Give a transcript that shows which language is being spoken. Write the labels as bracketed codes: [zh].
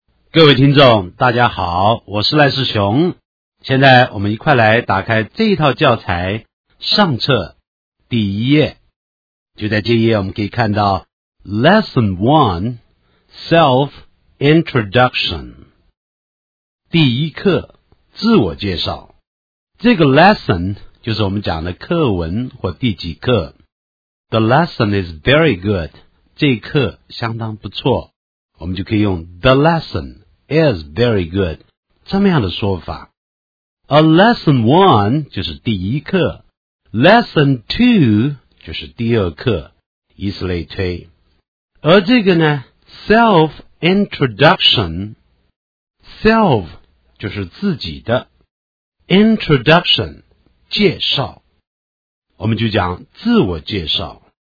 [zh] 各位听众大家好，我是赖世雄，现在我们一块来打开这一套教材上册第一页。就在这页我们可以看到 [en] Lesson 1 Self Introduction [zh] 第一课自我介绍。这个 Lesson 就是我们讲的课文或第几课。 [en] The lesson is very good， [zh] 这一课相当不错，我们就可以用 The lesson is very good 这么样的说法。 [en] A lesson one [zh] 就是第一课， [en] lesson two [zh] 就是第二课，以此类推。而这个呢， [en] self introduction， [zh] self 就是自己的， introduction 介绍，我们就讲自我介绍。